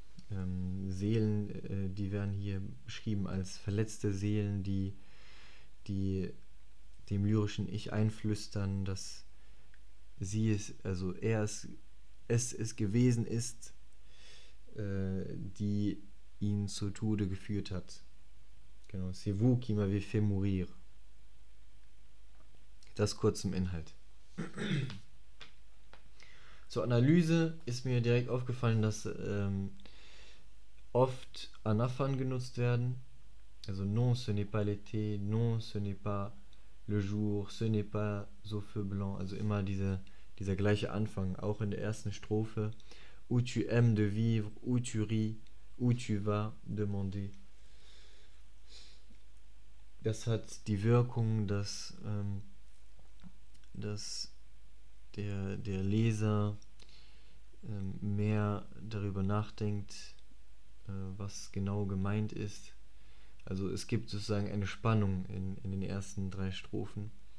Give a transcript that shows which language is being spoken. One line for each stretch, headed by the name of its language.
German: Seelen, die werden hier beschrieben als verletzte Seelen, die dem lyrischen Ich einflüstern, dass sie es, also er es gewesen ist, die ihn zu Tode geführt hat.
French: Genau, c'est vous qui m'avez fait mourir.
German: Das kurz zum Inhalt. Zur Analyse ist mir direkt aufgefallen, dass oft Anaphern genutzt werden.
French: Also non, ce n'est pas l'été, non, ce n'est pas le jour, ce n'est pas so feu blanc.
German: Also immer dieser gleiche Anfang, auch in der ersten Strophe.
French: Où tu aimes de vivre, où tu ris, où tu vas demander.
German: Das hat die Wirkung, dass der Leser mehr darüber nachdenkt, was genau gemeint ist. Also es gibt sozusagen eine Spannung in den ersten drei Strophen.